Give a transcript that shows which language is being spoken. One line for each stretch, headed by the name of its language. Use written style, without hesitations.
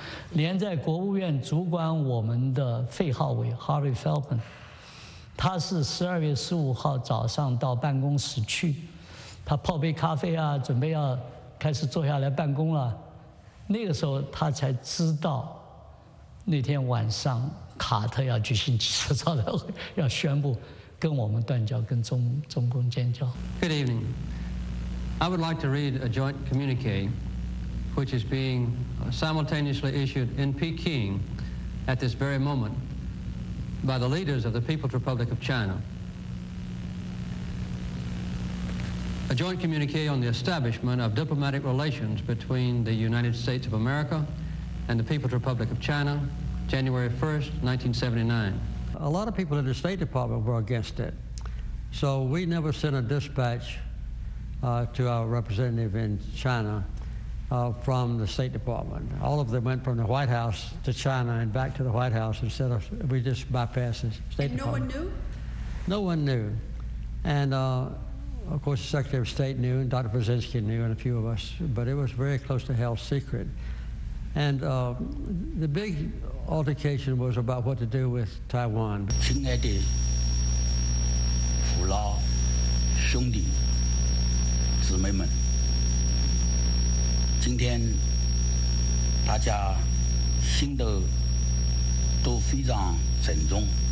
Chinese: 连在国务院主管我们的费浩伟 Harvey Feldman， 他是12月15号早上到办公室去，他泡杯咖啡啊，准备要开始坐下来办公了，那个时候他才知道那天晚上卡特要举行记者招待会，要宣布跟我们断交，跟中共建交。
English: Good evening. I would like to read a joint communique, which is being simultaneously issued in Peking at this very moment by the leaders of the People's Republic of China. A joint communique on the establishment of diplomatic relations between the United States of America and the People's Republic of China. January 1st, 1979. A lot of people in the State Department were against it. So we never sent a dispatch to our representative in China from the State Department. All of them went from the White House to China and back to the White House instead of, we just bypassed the State Department. And no one knew? No one knew. And of course, the Secretary of State knew, and Dr. Brzezinski knew, and a few of us, but it was very close to hell secret. And the big altercation was about what to do with Taiwan.
Chinese: 亲爱的父老兄弟姊妹们，今天大家心的都非常沉重，